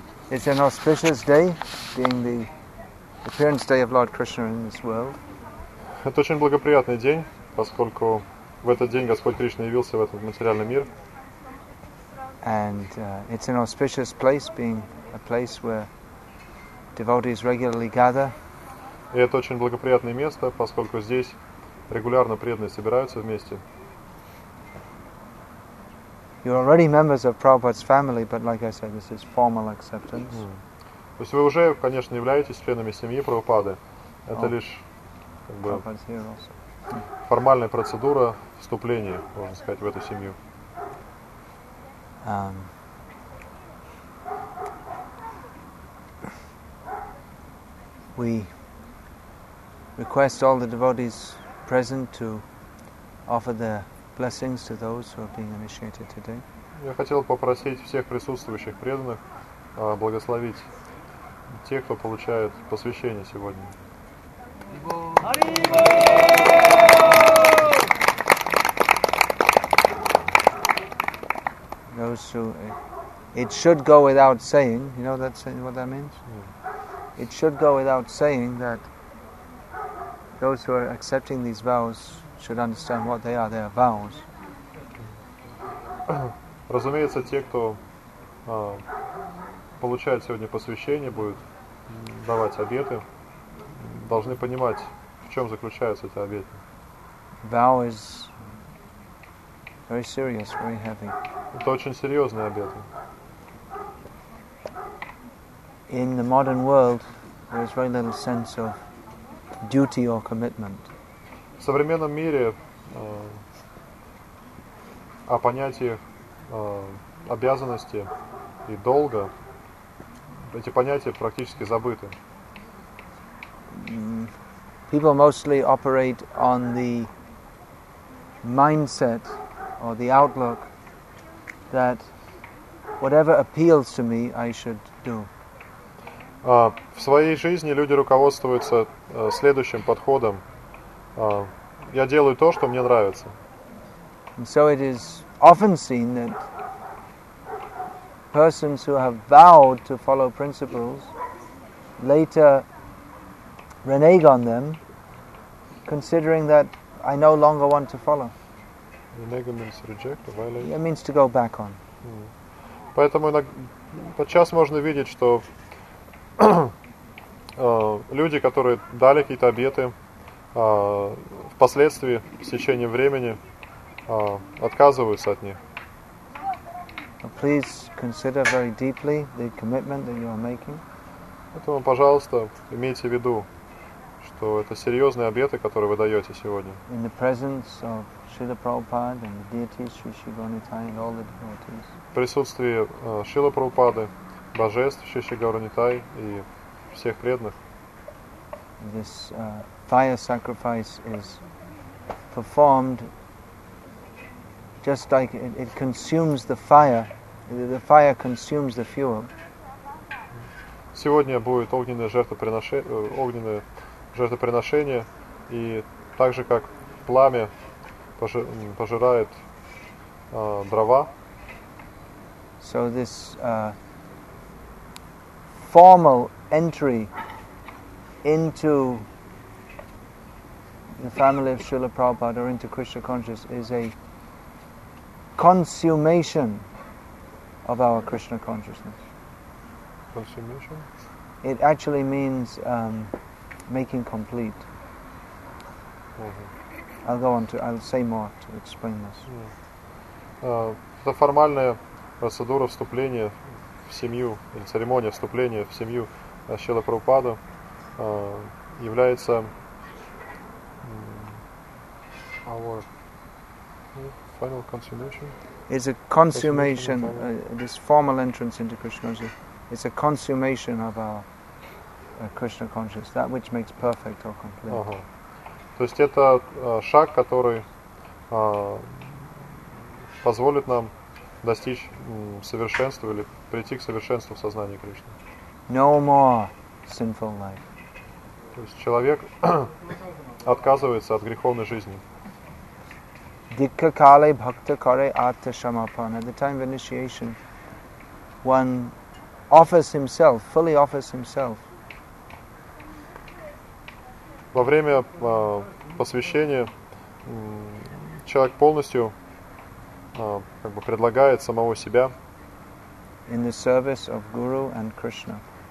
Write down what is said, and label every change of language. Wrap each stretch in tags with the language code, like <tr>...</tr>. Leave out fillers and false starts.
<en>It's an auspicious day, being the appearance day of Lord Krishna in this world.</en> <ru>Это очень благоприятный день, поскольку в этот день Господь Кришна явился в этот материальный мир.</ru> <en>And it's an auspicious place, being a place where devotees regularly gather.</en> <ru>И это очень благоприятное место, поскольку здесь регулярно преданные собираются вместе.</ru> <en>You're already members of Prabhupada's family, but like I said, this is formal acceptance.</en> <ru>То есть вы уже, конечно, являетесь членами семьи Прабхупады. Это лишь как бы формальная процедура вступления, можно сказать, в эту семью.</ru> <en>We request all the devotees present to offer their blessings to those who are being initiated today.</en> <ru>Я хотел попросить всех присутствующих преданных благословить тех, кто получает посвящение сегодня.</ru> <en>Those who it should go without saying, you know that's what that means? It should go without saying that those who are accepting these vows should understand what they are, their vows.</en> <ru>Разумеется, те, кто получает сегодня посвящение, будут давать обеты, должны понимать, в чем заключаются эти обеты.</ru> <en>Vow is very serious, very heavy.</en> <ru>Это очень серьезные обеты.</ru> <en>In the modern world, there is very little sense of duty or commitment.</en> <ru>В современном мире о понятии обязанности и долга эти понятия практически забыты.</ru> <en>People mostly operate on the mindset or the outlook that whatever appeals to me, I should do.</en> <ru>В своей жизни люди руководствуются следующим подходом. Я делаю то, что мне нравится.</ru> <en>And so it is often seen that persons who have vowed to follow principles later renege on them, considering that I no longer want to follow. Renege means reject or violate? It means to go back on.</en> <ru>Поэтому подчас можно видеть, что люди, которые дали какие-то обеты, впоследствии, с течением времени, отказываются от них.</ru> <en>Please consider very deeply the commitment that you are making.</en> <ru>Поэтому, пожалуйста, имейте в виду, что это серьезные обеты, которые вы даете сегодня.</ru> <en>In the presence of Srila Prabhupada and the deities, Sri Sri Gauranitai and all the devotees.</en> <ru>В присутствии Шрилы Прабхупады, божеств, Шри Шри Гауранитай и всех преданных.</ru> <en>This fire sacrifice is performed just like it consumes the fire. The fire consumes the fuel.</en> <ru>Сегодня будет огненное жертвоприношение, и так же как пламя пожирает дрова.</ru> <en>So this formal entry into the family of Srila Prabhupada or into Krishna consciousness is a consummation of our Krishna consciousness. Consummation? It actually means making complete. Mm-hmm. I'll say more to explain this.</en> <ru>Это формальная процедура вступления в семью, или церемония вступления в семью Шрилы Прабхупады является</ru> <en>our final consummation. It's a consummation, this formal entrance into Krishna consciousness. It's a consummation of our Krishna consciousness, that which makes perfect or complete. Uh-huh.</en> <ru>То есть это шаг, который позволит нам достичь совершенства или прийти к совершенству в сознании Кришны.</ru> <en>No more sinful life.</en> <ru>То есть человек отказывается от греховной жизни.</ru> <bn>Dikkakale bhakta kare atta samarpana.</bn> <en>At the time of initiation, one offers himself, fully offers himself.</en> <ru>Во время посвящения человек полностью как бы предлагает самого себя.</ru> <en>In the service of Guru and Krishna.</en>